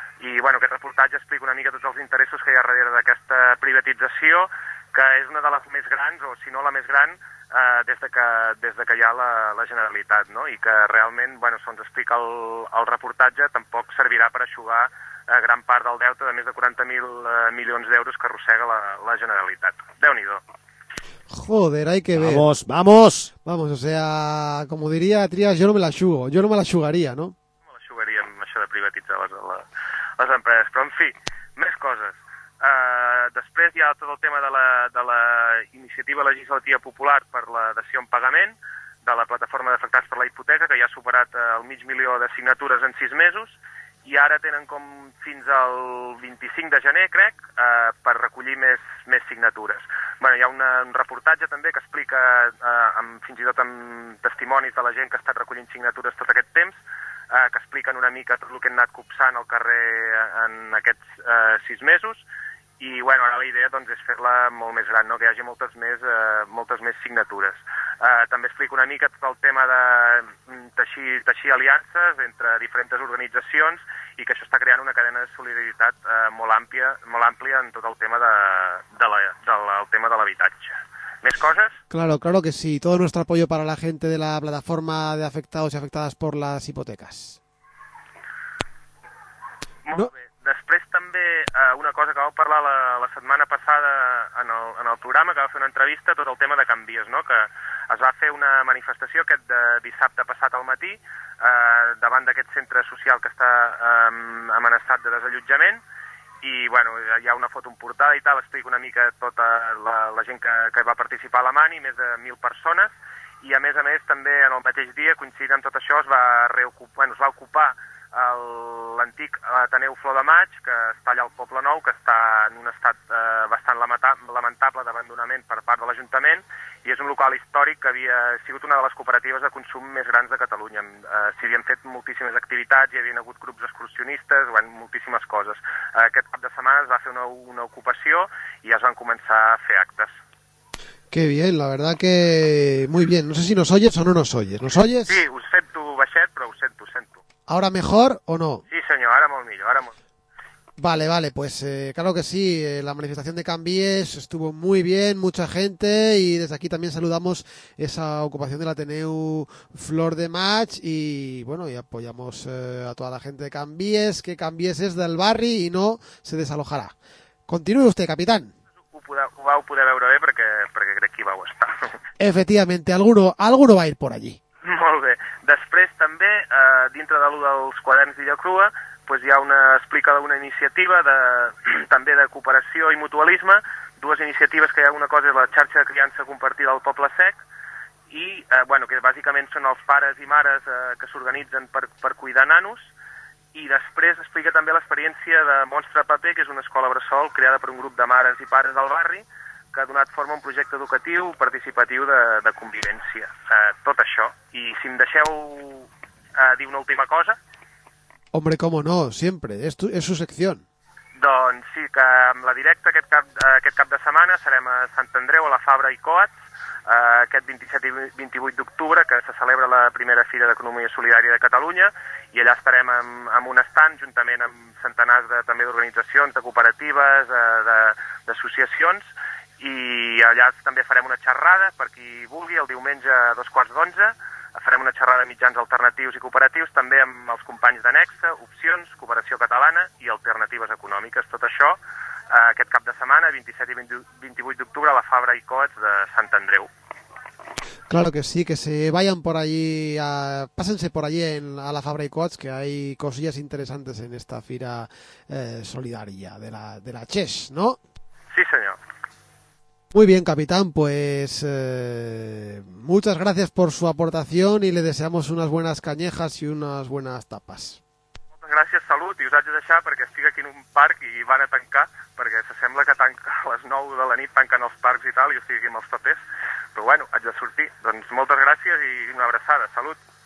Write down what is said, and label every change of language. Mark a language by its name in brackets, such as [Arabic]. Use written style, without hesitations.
[Catalan] I, bueno, aquest reportatge explica una mica tots els interessos que hi ha darrere d'aquesta privatització, que és una de les més grans, o si no la més gran, des de que hi ha la Generalitat, no? I que realment, bueno, se'ns explica el reportatge, tampoc servirà per aixugar gran part del deute de més de 40.000 milions d'euros que arrossega la Generalitat. Déu-n'hi-do. [Spanish] Joder, hay que ver. Vamos, vamos. Vamos, o sea, como diría Trias, yo no me la aixugaria, ¿no? No me la [Catalan] aixugaria amb això de privatitzar les empreses. Però, en fi, més coses. Després hi ha tot el tema de la iniciativa legislativa popular per la dació en pagament de la plataforma d'afectats per la hipoteca, que ja ha superat el 500.000 de signatures en 6 mesos, i ara tenen com fins al 25 de gener, crec, per recollir més signatures. Bé, hi ha un reportatge també que explica, amb, fins i tot amb testimonis de la gent que ha estat recollint signatures tot aquest temps, que expliquen una mica tot el que han anat copsant al carrer en aquests 6 mesos, i bueno, ara la idea doncs, és fer-la molt més gran, no? Que hi hagi moltes més signatures. També explico una mica tot el tema de teixir aliances entre diferents organitzacions i que això està creant una cadena de solidaritat molt àmplia en tot el tema de l'habitatge. [Spanish] ¿Más cosas? Claro, claro que sí. Todo nuestro apoyo para la gente de la plataforma de afectados y afectadas por las hipotecas. Muy bien. [Catalan] Després també una cosa que vau parlar la setmana passada en el programa, que va fer una entrevista, tot el tema de Can Vies, no? Que es va fer una manifestació aquest dissabte passat al matí davant d'aquest centre social que està amenaçat de desallotjament. I, bueno, hi ha una foto en portada i tal, explico una mica tota la gent que va participar a la mani, més de 1.000 persones, i a més també en el mateix dia, coincidint amb tot això, es va ocupar l'antic Ateneu Flor de Maig, que està allà al Poble Nou, que està en un estat bastant lamentable d'abandonament per part de l'Ajuntament, i és un local històric que havia sigut una de les cooperatives de consum més grans de Catalunya. S'hi havien fet moltíssimes activitats, hi havien hagut grups excursionistes, bueno, moltíssimes coses. Aquest cap de setmana es va fer una ocupació i ja es van començar a fer actes. [Spanish] Qué bien, la verdad que muy bien. No sé si nos oyes o no nos oyes. ¿Nos oyes? [Catalan] Sí, us sento baixet, però us sento. [Spanish] ¿Ahora mejor o no? Sí, señor, ahora muy bien, ahora muy bien. Vale, pues claro que sí, la manifestación de Canvies estuvo muy bien, mucha gente, y desde aquí también saludamos esa ocupación del Ateneu Flor de Maig, y bueno, y apoyamos a toda la gente de Canvies, que Canvies es del barri y no se desalojará. Continúe usted, capitán. [Catalan] Ho vau poder veure bé perquè, perquè crec que hi vau estar. [Spanish] Efectivament, alguno va a ir por allí. [Catalan] Molt bé. Després també, dintre de l'1 dels quaderns d'Illa Crua, pues hi ha una explica d'una iniciativa de, també de cooperació i mutualisme, dues iniciatives que hi ha una cosa, la xarxa de criança compartida al Poble Sec, i bueno, que bàsicament són els pares i mares que s'organitzen per cuidar nanos, i després explica també l'experiència de Monstre Paper, que és una escola bressol creada per un grup de mares i pares del barri, que ha donat forma a un projecte educatiu participatiu de convivència. Tot això. I si em deixeu dir una última cosa... [Spanish] Hombre, cómo no, siempre, es su sección. [Catalan] Doncs sí, que amb la directa aquest cap de setmana serem a Sant Andreu, a la Fabra i Coats, aquest 27 i 28 d'octubre, que se celebra la primera Fira d'Economia Solidària de Catalunya, i allà estarem amb un stand, juntament amb centenars de, també d'organitzacions, de cooperatives, d'associacions, i allà també farem una xerrada, per qui vulgui, el diumenge a 11:15, farem una xerrada de mitjans alternatius i cooperatius, també amb els companys de Nexa, Opcions, Cooperació Catalana i Alternatives Econòmiques. Tot això aquest cap de setmana, 27 i 28 d'octubre, a la Fabra i Coats de Sant Andreu. [Spanish] Claro que sí, que se vayan por allí, pásense por allí a la Fabra i Coats, que hay cosillas interesantes en esta fira solidaria de la CHES, ¿no? Sí, señor. Muy bien, capitán, pues muchas gracias por su aportación y le deseamos unas buenas canyejas y unas buenas tapas. [Catalan] Moltes gràcies, salut, i us haig de deixar perquè estic aquí en un parc i van a tancar, perquè se sembla que tanca a les 9 de la nit, tanquen els parcs i tal, i jo estic aquí amb els papers, però bueno, haig de sortir. Doncs moltes gràcies i una abraçada, salut.